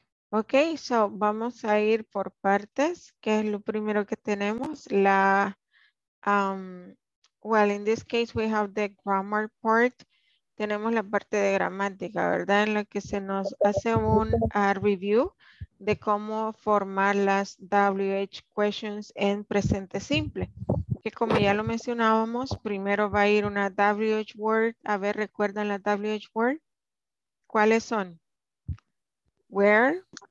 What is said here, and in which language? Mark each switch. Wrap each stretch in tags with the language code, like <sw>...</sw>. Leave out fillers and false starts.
<en>Ok, so</en> <es>vamos a ir por partes, que es lo primero que tenemos.</es> <en>La, well, in this case, we have the grammar part.</en> <es>Tenemos la parte de gramática, ¿verdad? En la que se nos hace un review de cómo formar las WH questions en presente simple. Que como ya lo mencionábamos, primero va a ir una WH word. A ver, ¿recuerdan la WH word? ¿Cuáles son? Where,</es>